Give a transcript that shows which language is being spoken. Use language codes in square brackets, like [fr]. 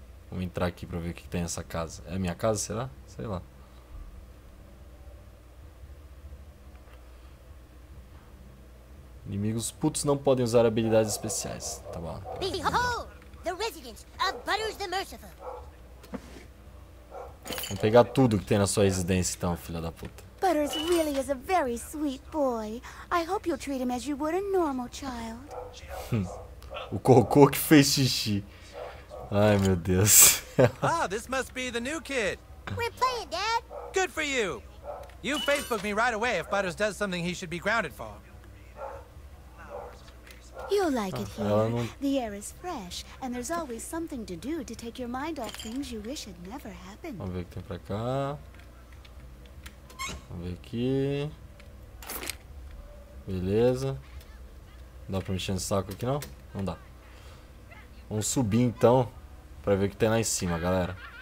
[pt] Vamos entrar aqui pra ver o que tem nessa casa. É a minha casa, será? Sei lá. Inimigos putos não podem usar habilidades especiais. Tá bom. [en] The residence of Butters the Merciful. [pt] Vamos pegar tudo que tem na sua residência então, filha da puta. [en] Butters really is a very sweet boy. I hope you'll treat him as you would a normal child. [pt] O cocô que fez xixi. Ai, meu Deus. [en] Ah, this must be the new kid. We're playing, Dad. Good for you. You Facebook me right away if Butters does something he should be grounded for. You'll like it here. Não... The air is fresh and there's always something to do to take your mind off things you wish had never happened. [pt] Vamos ver o que tem pra cá. Vamos ver aqui. Beleza. Não dá pra mexer no saco aqui não? Não dá. Vamos subir então pra ver o que tem lá em cima, galera.